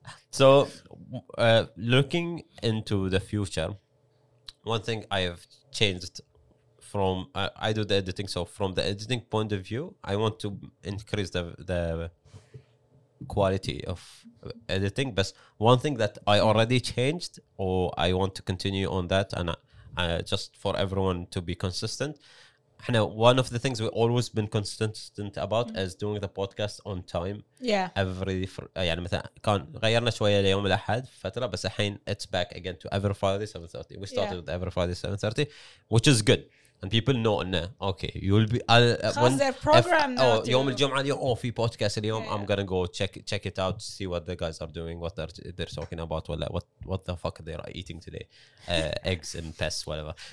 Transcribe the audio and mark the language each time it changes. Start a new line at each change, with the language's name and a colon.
English: So, looking into the future, one thing I have changed from, I do the editing, so from the editing point of view, I want to increase the quality of editing. But one thing that I already changed, or I want to continue on that, and just for everyone to be consistent, now, one of the things we've always been consistent about is doing the podcast on time. Yeah.
Arabic: Every يعني مثلا كان غيرنا شوية ليوم الأحد فترة بس الحين
English: it's back again to every Friday 7:30. We started with every Friday 7:30, which is good. And people know إنه okay you'll be when their program
Arabic: يوم الجمعة اليوم في
English: podcast
Arabic: اليوم
English: I'm gonna go check it out, see what the guys are doing, what they're talking about, what the fuck they're eating today, eggs and pests whatever.